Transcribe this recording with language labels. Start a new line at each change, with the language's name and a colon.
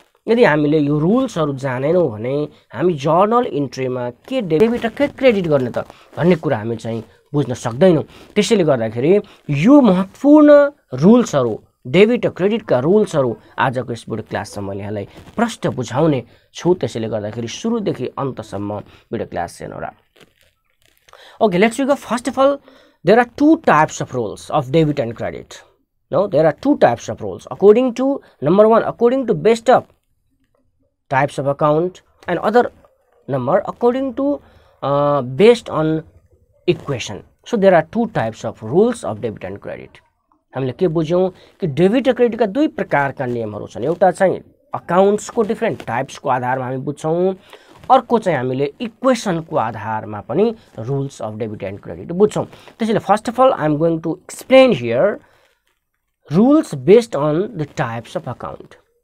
Nepali: यदि हामीले यो रुल्सहरू जानेनौँ भने हामी जर्नल इन्ट्रीमा के डेबिट र के क्रेडिट गर्ने त भन्ने कुरा हामी चाहिँ बुझ्न सक्दैनौँ। त्यसैले गर्दाखेरि यो महत्त्वपूर्ण रुल्सहरू, डेबिट र क्रेडिटका रुल्सहरू आजको यस भिडियो क्लासमा मैले यहाँलाई प्रष्ट बुझाउने छु। त्यसैले गर्दाखेरि सुरुदेखि अन्तसम्म भिडियो क्लास हेर्नुहोला।
English: Okay, let's go. First of all, there are two types of rules of debit and credit. No, there are two types of rules. According to, number one, according to best of types of account, and other number, according to based on equation. So, there are two types of rules of debit and credit.
Nepali: हामीले के बुझ्यौँ कि
English: debit and credit
Nepali: का दुई प्रकारका नियमहरू छन्। एउटा चाहिँ accounts को
English: different types
Nepali: को आधारमा हामी बुझ्छौँ, अर्को चाहिँ हामीले इक्वेसनको आधारमा पनि rules of debit and credit बुझ्छौँ।
English: त्यसैले first of all I am going to explain here rules based on the types of account.